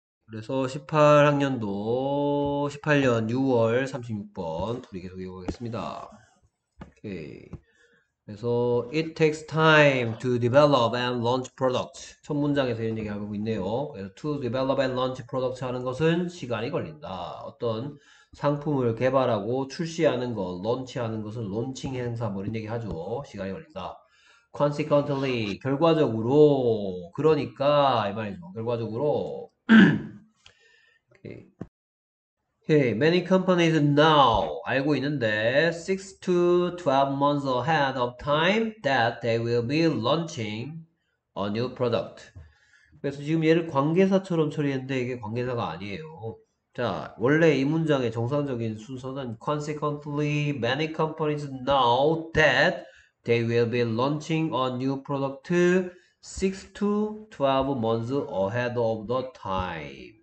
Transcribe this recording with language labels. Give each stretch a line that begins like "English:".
Korean: 그래서 18학년도 18년 6월 36번 풀이 계속 해보겠습니다. 오케이. 그래서
English: it takes time to develop and launch products.
Korean: 첫 문장에서 이런 얘기 하고 있네요. 그래서
English: to develop and launch products
Korean: 하는 것은 시간이 걸린다. 어떤 상품을 개발하고 출시하는 것, 런치하는 것은 론칭 행사 뭐 이런 얘기 하죠. 시간이 걸린다. Consequently, 결과적으로, 그러니까 이 말이죠. 결과적으로.
English: Okay. Many companies now
Korean: 알고 있는데
English: 6 to 12 months ahead of time that they will be launching a new product.
Korean: 그래서 지금 얘를 관계사처럼 처리했는데 이게 관계사가 아니에요. 자, 원래 이 문장의 정상적인 순서는
English: Consequently, many companies now that they will be launching a new product 6 to 12 months ahead of the time.